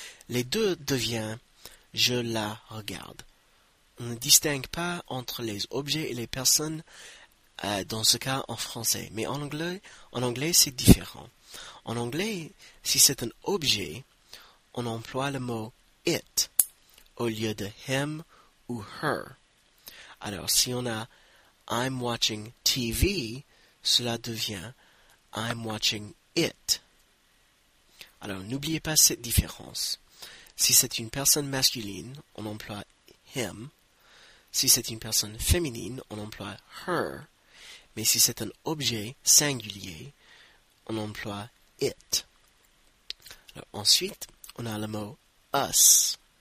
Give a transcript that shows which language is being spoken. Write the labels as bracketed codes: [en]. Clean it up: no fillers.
[fr] Les deux deviennent je la regarde. On ne distingue pas entre les objets et les personnes dans ce cas en français. Mais en anglais, c'est différent. En anglais, si c'est un objet, on emploie le mot it au lieu de him ou her. Alors, si on a [en] I'm watching TV, [fr] cela devient [en] I'm watching it. [fr] Alors, n'oubliez pas cette différence. Si c'est une personne masculine, on emploie him. Si c'est une personne féminine, on emploie her. Mais si c'est un objet singulier, on emploie it. Alors, ensuite, on a le mot us.